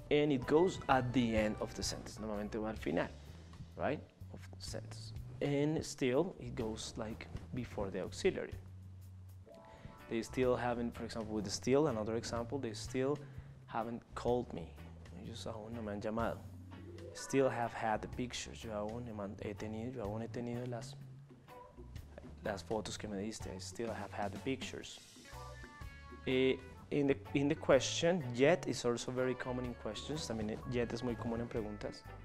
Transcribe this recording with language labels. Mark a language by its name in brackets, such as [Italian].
[English] And it goes at the end of the sentence. [Spanish] Normalmente va al final, [English] right? Of the sentence. And still, it goes like before the auxiliary. They still haven't, for example, with the still, another example, they still haven't called me. [Spanish] Ellos aún no me han llamado. [English] Still have had the pictures. [Spanish] Yo aún he tenido las fotos que me diste. [English] I still have had the pictures. In the question, yet is also very common in questions. I mean, [Spanish] yet es muy común en preguntas.